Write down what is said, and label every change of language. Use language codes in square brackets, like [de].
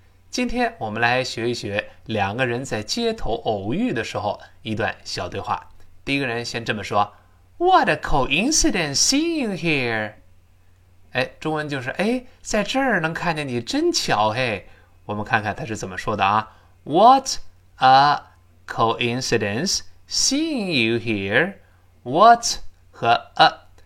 [zh] 今天我们来学一学两个人在街头偶遇的时候一段小对话。第一个人先这么说： [en] “What a coincidence seeing here！” [zh] 哎，中文就是"哎，在这儿能看见你，真巧嘿。" 我们看看他是怎么说的啊：“ [en] What a coincidence seeing you here！”What [zh] 和 [en] a。